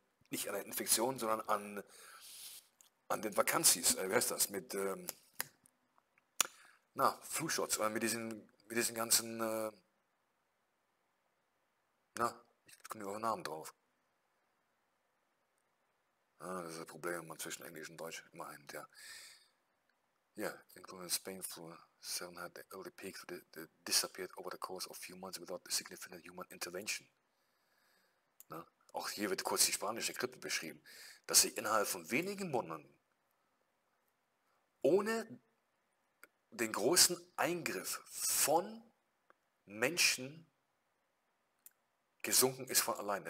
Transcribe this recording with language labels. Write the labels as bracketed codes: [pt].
[de] nicht an der Infektion, sondern an den Vakanzis, wie heißt das, mit na, Flu-Shots, oder mit diesen ganzen, na, ich komme über den Namen drauf. Ah, das ist das Problem immer zwischen Englisch und Deutsch, immerhin, ja. [en] Yeah, including Spain flu, 7 had the early peak that disappeared over the course of few months without a significant human intervention. [de] Na? Auch hier wird kurz die spanische Grippe beschrieben, dass sie innerhalb von wenigen Monaten ohne den großen Eingriff von Menschen gesunken ist von alleine.